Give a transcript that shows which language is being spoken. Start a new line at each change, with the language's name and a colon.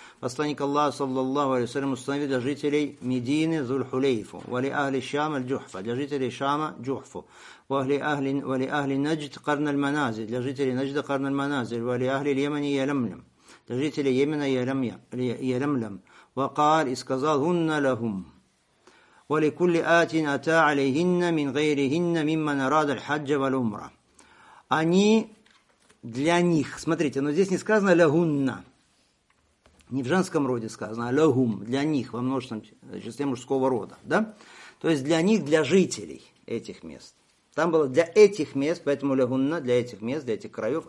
Russian: посланник Аллаха, саллаллаху алейхи ва саллям, установил для жителей Медины Зуль-Хулейфу,
Arabic: вали ахли Шама Аль-Джухфа,
Russian: для жителей Шама Джухфу,
Arabic: вали ахли Наджд Карна Аль-Манази,
Russian: для жителей Наджда Карна Аль-Манази,
Arabic: вали ахли Ильемани Ялямлям,
Russian: для жителей Йемена Ялямлям, вакал и сказал
Arabic: «Хунна лахум». ولكل آت أتى عليهن من غيرهن ممن أراد الحج والعمرة.
Russian: Они для них. Смотрите, но здесь не сказано лягунна. Не в женском роде сказано, а лягум, для них, во множественном числе мужского рода. Да? То есть для них, для жителей этих мест. Там было для этих мест, поэтому лягунна, для этих мест, для этих краев.